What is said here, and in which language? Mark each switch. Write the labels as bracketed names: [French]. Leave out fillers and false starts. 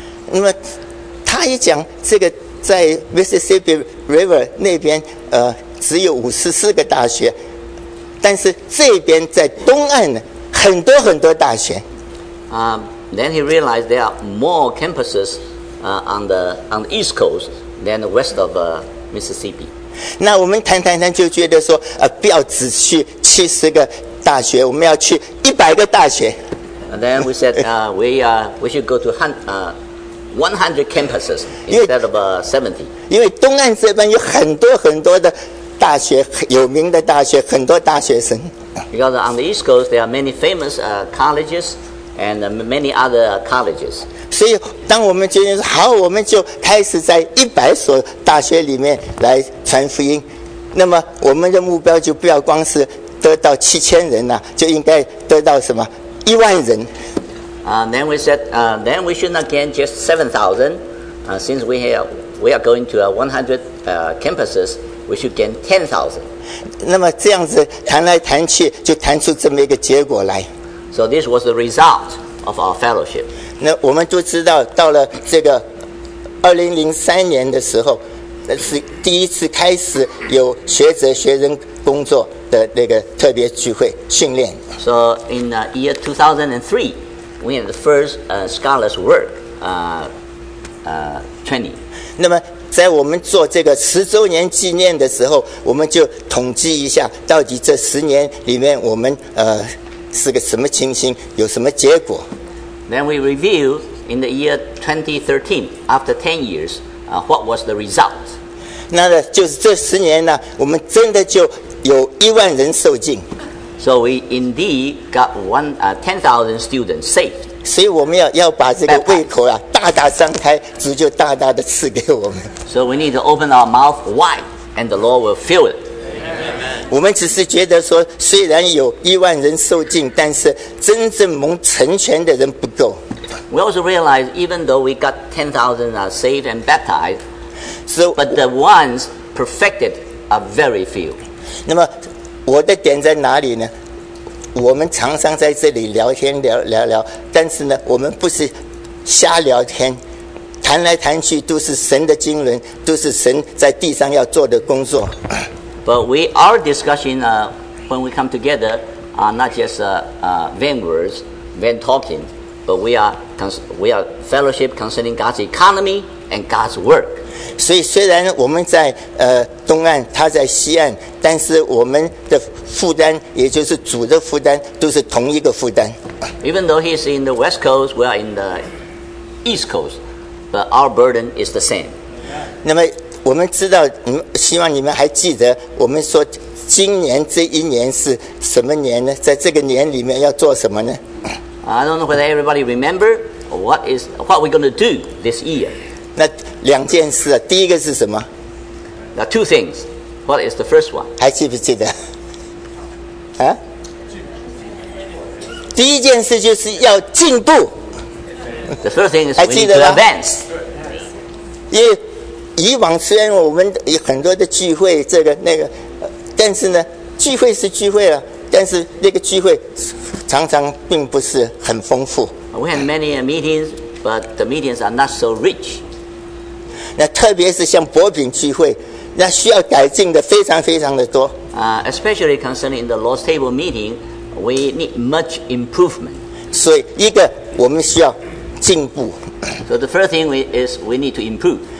[Chinese] 那么他一讲这个。在 Mississippi River 那边, 只有54个大学, 但是这边在东岸呢, 很多很多大学。 [English] Then he realized there are more campuses on the east coast than the west of Mississippi. [Chinese] 那我们谈谈谈就觉得说，不要只去七十个大学，我们要去一百个大学。 [English] And then we said, we should go to 100 campuses instead of 70. [Chinese] 因为东岸这边有很多很多的大学，有名的大学，很多大学生。 [English] Because on the east coast there are many famous colleges and many other colleges. [Chinese] 所以当我们决定好，我们就开始在一百所大学里面来传福音。那么我们的目标就不要光是得到七千人了，就应该得到什么？一万人。 [English] Then we said, then we should not gain just 7,000. Since we are going to 100 campuses, we should gain 10,000. [Chinese] 那么这样子谈来谈去，就谈出这么一个结果来。 [English] So this was the result of our fellowship. [Chinese] 那我们都知道，到了这个2003年的时候，那是第一次开始有学者学人工作的那个特别聚会训练。 [English] So in the year 2003, we had the first scholars work training. [Chinese] 那么在我们做这个十周年纪念的时候，我们就统计一下到底这十年里面我们是个什么情形，有什么结果。 [English] Then we review in the year 2013, after 10 years, what was the result? [Chinese] 那就是这十年呢，我们真的就有一万人受浸。 [English] So we indeed got 10,000 students saved. [Chinese] 所以我们要把这个胃口啊大大张开，主就大大的赐给我们。 [English] So we need to open our mouth wide, and the Lord will fill it. [Chinese] 我们只是觉得说，虽然有一万人受浸，但是真正蒙成全的人不够。 [English] We also realize, even though we got 10,000 saved and baptized, so, but the ones perfected are very few. [Chinese] 那么我的点在哪里呢？我们常常在这里聊天聊，但是呢，我们不是瞎聊天，谈来谈去都是神的经纶，都是神在地上要做的工作。 [English] But we our discussion when we come together are not just vain words, vain talking, but we are fellowship concerning God's economy and God's work. [Chinese] 所以虽然我们在东岸，他在西岸，但是我们的负担，也就是主的负担，都是同一个负担。 [English] Even though he's in the west coast, we are in the east coast, but our burden is the same. [Chinese] 那么我们知道，希望你们还记得，我们说今年这一年是什么年呢？在这个年里面要做什么呢 [English] ？I don't know whether everybody remember what we're going to do this year. [Chinese] 那两件事啊，第一个是什么 [English] ？The two things. What is the first one? [Chinese] 还记不记得？啊？第一件事就是要进步。 [English] The first thing is we need to advance. [Chinese] 因为以往虽然我们有很多的聚会，这个那个，但是呢，聚会是聚会了，但是那个聚会常常并不是很丰富。 [English] We had many meetings, but the meetings are not so rich. [Chinese] 那特别是像薄饼聚会，那需要改进的非常非常的多。 [English] Especially concerning the Lord's Table meeting, we need much improvement. [Chinese] 所以一个我们需要进步。 [English] So the first thing is we need to improve.